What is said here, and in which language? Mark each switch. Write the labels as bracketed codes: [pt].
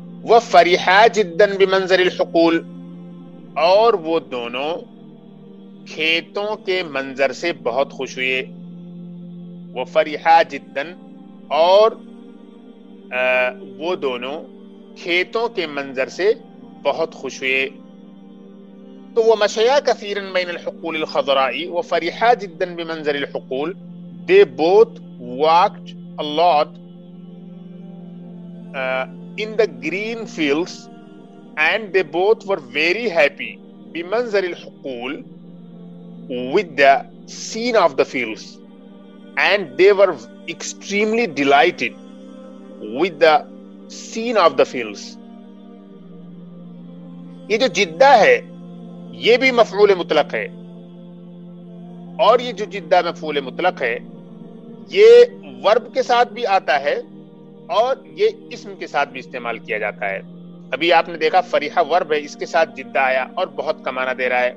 [ar] وفرحا جدا بمنظر الحقول, [ur] اور وہ دونوں کھیتوں کے منظر سے بہت خوش ہوئے. [ar] وفرحا جدا, [ur] اور وہ دونوں کھیتوں کے منظر سے بہت خوش ہوئے. [en] تو وہ [ar] مشیا کثیرا بین الحقول الخضراء وفرحا جدا بمنظر الحقول, [en] They both walked a lot in the green fields and they both were very happy بمنظر الحقول with the scene of the fields and they were extremely delighted with the scene of the fields. [ur] یہ جو Jeddah ہے یہ بھی مفعول مطلق ہے, اور یہ جو جدہ مفعول مطلق ہے یہ ورب کے ساتھ بھی آتا ہے اور یہ اسم کے ساتھ بھی استعمال کیا جاتا ہے. ابھی آپ نے دیکھا فریحہ ورب ہے, اس کے ساتھ جدہ آیا اور بہت کمانا دے رہا ہے.